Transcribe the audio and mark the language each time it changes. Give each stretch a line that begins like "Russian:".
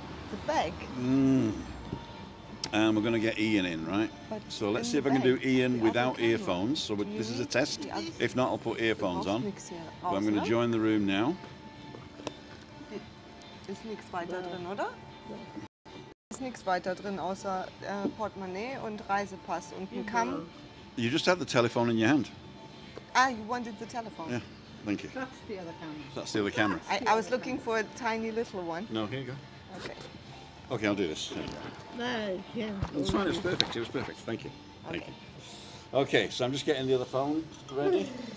English: The bag. And we're going to get Ian in, right? So let's see if I can do Ian without earphones. So this is a test. If not, I'll put earphones on. But I'm going to join the room now.
German: Ist nichts weiter drin, oder? Ist nichts weiter drin außer Portemonnaie und Reisepass und ein Kamm.
English: You just had the telephone in your hand. Ah, you wanted the telephone. Yeah, thank you. That's the other camera. That's the other camera. I was looking for a tiny little one. No, here you go. Okay, I'll do this. It's fine, it's perfect. It was perfect. Thank you. Okay, so I'm just getting the other phone ready.